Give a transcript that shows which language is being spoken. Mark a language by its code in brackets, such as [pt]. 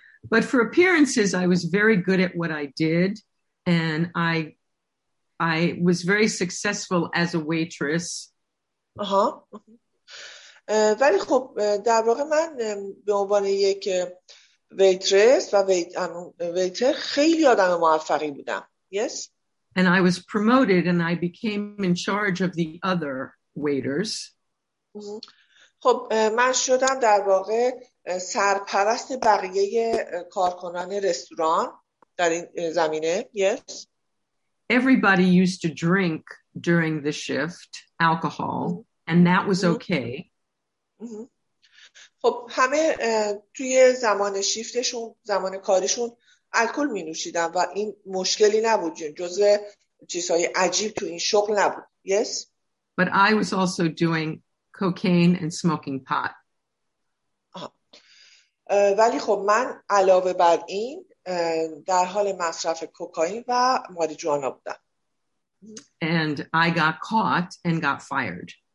[en] But for appearances, I was very good at what I did, and I was very successful as a waitress. [fa] ولی خب در واقع من به عنوان یک ویترس و ویتر خیلی آدم موفقی بودم. [en] Yes. And I was promoted and I became in charge of the other waiters. [fa] خب من شدم در واقع سرپرست بقیه کارکنان رستوران در این زمینه. [en] Yes. Everybody used to drink during the shift alcohol, and that was okay. [fa] خب همه توی زمان شیفتشون، زمان کاریشون الکل می نوشیدن و این مشکلی نبود، جزء چیزهای عجیب تو این شغل نبود. [en] Yes. But I was also doing cocaine and smoking pot. [fa] ولی خب من علاوه بر این در حال مصرف کوکائین و ماریجوانا بودم. [en] And I got caught and got fired.